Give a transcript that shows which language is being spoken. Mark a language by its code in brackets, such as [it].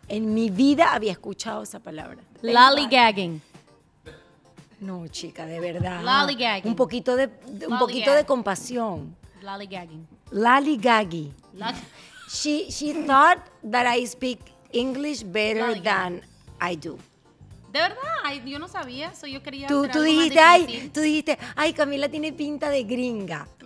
[es] En mi vida había escuchado esa palabra. [en] Lollygagging. [es] No, chica, de verdad. [en] Lollygagging. [es] Un poquito de compasión. [en] Lollygagging. Lollygaggy. She thought that I speak English better than I do. [es] De verdad, yo no sabía, eso yo quería. Tú dijiste, Camila tiene pinta de gringa.